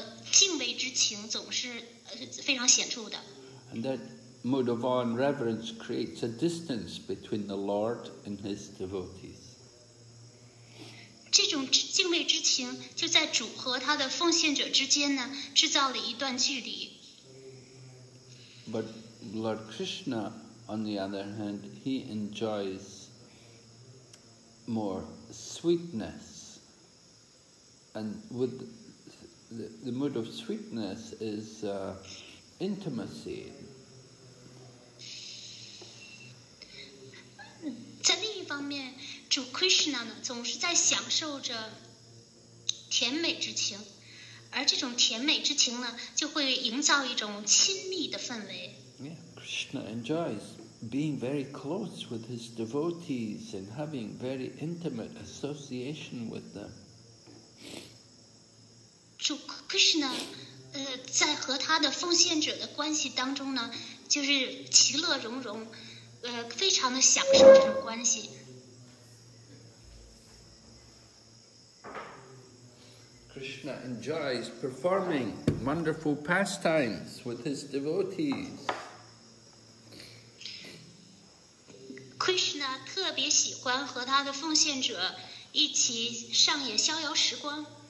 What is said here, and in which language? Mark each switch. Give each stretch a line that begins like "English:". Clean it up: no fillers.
Chinese: 敬畏之情总是非常显著的。
English: And that mode of awe and reverence creates a distance between the Lord and His devotees.
Chinese: 这种敬畏之情就在主和他的奉献者之间呢，制造了一段距离。
English: But Lord Krishna, on the other hand, he enjoys more sweetness. And with the mood of sweetness is intimacy.
Chinese: 在另一方面，主 Krishna 呢，总是在享受着甜美之情。而这种甜美之情呢，就会营造一种亲密的氛围。
English: Yeah, Krishna enjoys being very close with his devotees and having very intimate association with them.
Chinese: 主 Krishna, 在和他的奉献者的关系当中呢，就是其乐融融，非常的享受这种关系。
English: Krishna enjoys performing wonderful pastimes with his devotees.
Chinese: Krishna 特别喜欢和他的奉献者一起上演逍遥时光。